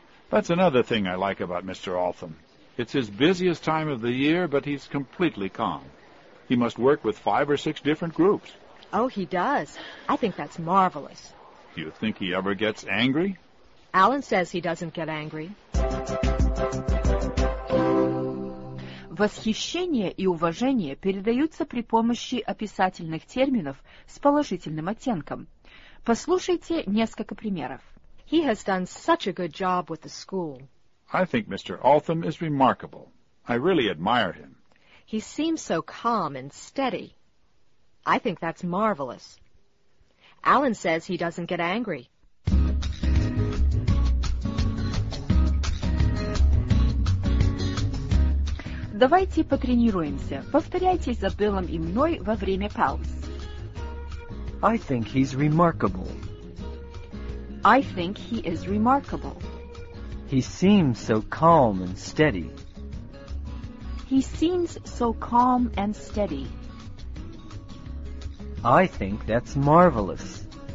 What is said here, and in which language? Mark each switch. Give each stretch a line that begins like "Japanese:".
English: That's another thing I like about Mr. Altham. It's his busiest time of the year, but he's completely calm. He must work with 5 or 6 different groups. Oh, he does. I think that's marvelous. Do you think he ever gets angry? Alan says he doesn't get angry.
Russian: Восхищение и уважение передаются при помощи описательных терминов с положительным оттенком. Послушайте несколько примеров.
English: He has done such a good job with the school. I think Mr. Altham is remarkable. I really admire him. He seems so calm and steady. I think that's marvelous. Alan says he doesn't get angry.
Russian: Давайте потренируемся. Повторяйтесь за Биллом и мной во время пауз.
English: I think he's remarkable. I think he is remarkable. He seems so calm and steady. He seems so calm and steady. I think that's marvelous.